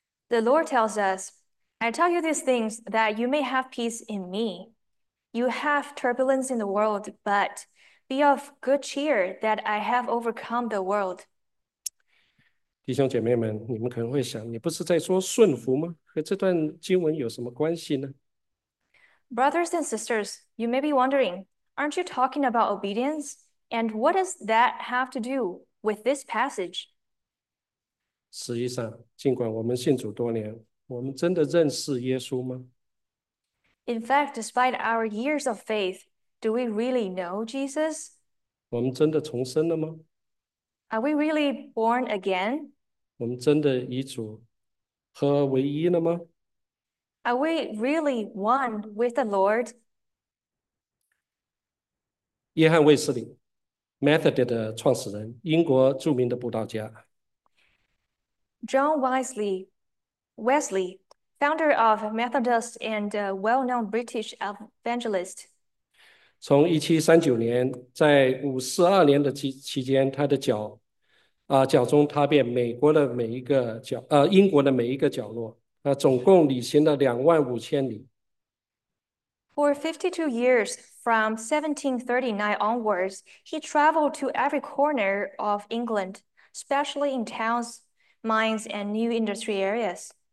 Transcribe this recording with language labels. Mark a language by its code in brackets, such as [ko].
[en] The Lord tells us, I tell you these things that you may have peace in me. You have turbulence in the world, but be of good cheer that I have overcome the world. [zh] 弟兄姐妹们，你们可能会想，你不是在说顺服吗？和这段经文有什么关系呢？ [en] Brothers and sisters, you may be wondering, aren't you talking about obedience? And what does that have to do with this passage? [zh] 实际上，尽管我们信主多年，我们真的认识耶稣吗？ [en] In fact, despite our years of faith, do we really know Jesus? [zh] 我们真的重生了吗？ [en] Are we really born again? [zh] 我们真的与主合而为一了吗？ [en] Are we really one with the Lord? [zh] 约翰·卫斯理，Methodist 的创始人，英国著名的布道家。 [en] John Wesley, founder of Methodist and a well-known British evangelist. [zh] 从1739在52年的期间，他的脚中踏遍美国的每一个角，英国的每一个角落，总共旅行了25000里。 [en] For 52 years, from 1739 onwards, he traveled to every corner of England, especially in towns, mines, and new industry areas.